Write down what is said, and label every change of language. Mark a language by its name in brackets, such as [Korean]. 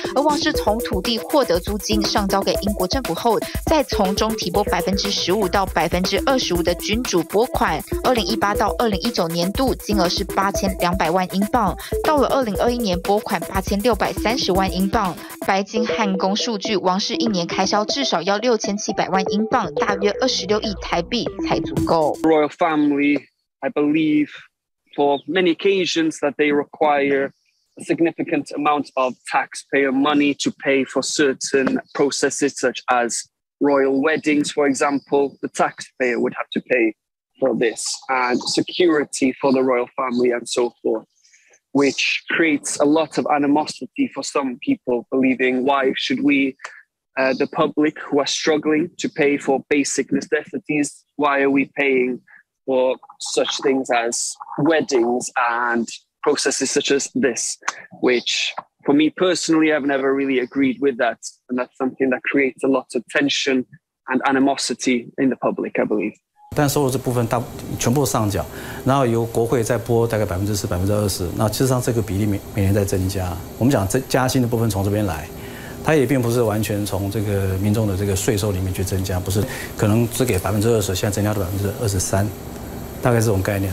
[Chinese] 而王室从土地获得租金，上交给英国政府后，再从中提拨15%-25%的君主拨款。 2018-2019年度金额是8200万英镑，到了2021年拨款8630万英镑。白金汉宫数据，王室一年开销至少要6700万英镑，大约26亿台币。 [English] Royal family, I believe, for many occasions that they require a significant amount of taxpayer money to pay for certain processes such as royal weddings, for example, the taxpayer would have to pay for this and security for the royal family and so forth, which creates a lot of animosity for some people believing why should we,the public who are struggling to pay for basic necessities,Why are we paying for such things as weddings and processes such as this? Which, for me personally, I've never really agreed with that. And that's something that creates a lot of tension and animosity in the public, I believe. [Chinese] 但收入这部分大全部上缴，然后由国会再拨大概4%-20%，那其实上这个比例每年在增加。我们讲这加薪的部分从这边来。它也并不是完全从这个民众的这个税收里面去增加，不是，可能只给20%，现在增加到23%，大概这种概念。